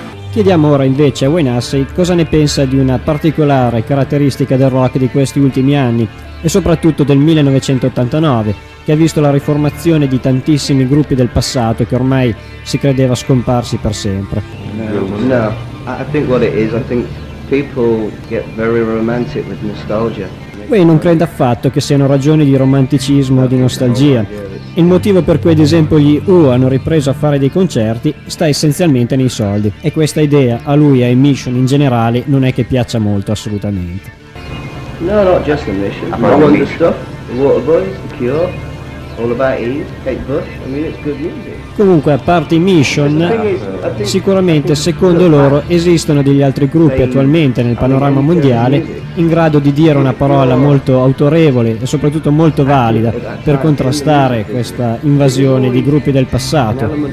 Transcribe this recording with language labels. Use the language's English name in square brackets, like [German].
[Italian] Chiediamo ora invece a Wayne Hussey cosa ne pensa di una particolare caratteristica del rock di questi ultimi anni e soprattutto del 1989, che ha visto la riformazione di tantissimi gruppi del passato che ormai si credeva scomparsi per sempre. [English] No, I think what it is, I think people get very romantic with nostalgia. [Italian] Wayne non crede affatto che siano ragioni di romanticismo o di nostalgia. Il motivo per cui ad esempio gli U hanno ripreso a fare dei concerti sta essenzialmente nei soldi, e questa idea a lui e ai Mission in generale non è che piaccia molto assolutamente. [English] No, not just the Mission. I want the stuff, the Waterboys, the Cure, all about Eve, Kate Bush, I mean it's good music. [Italian] Comunque, a parte i Mission, sicuramente secondo loro esistono degli altri gruppi attualmente nel panorama mondiale in grado di dire una parola molto autorevole e soprattutto molto valida per contrastare questa invasione di gruppi del passato.